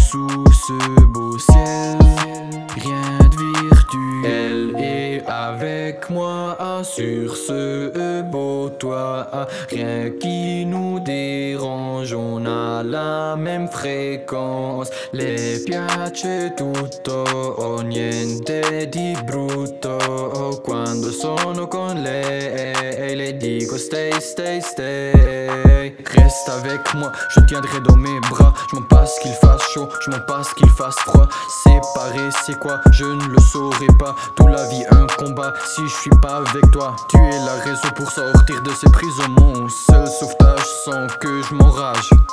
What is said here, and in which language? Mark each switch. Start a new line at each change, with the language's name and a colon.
French: Sous ce beau ciel, rien de virtuel. Elle est avec moi sur ce beau toit. Rien qui nous dérange, on a la même fréquence.
Italian: Les piace tutto, oh, niente di brutto. Quando sono con lei, le dico
English: stay, stay, stay.
French: Reste avec moi, je tiendrai dans mes bras. Je m'en passe qu'il fasse chaud, je m'en passe qu'il fasse froid. Séparer c'est quoi, je ne le saurais pas. Toute la vie un combat, si je suis pas avec toi. Tu es la raison pour sortir de ces prisons. Mon seul sauvetage sans que je m'enrage.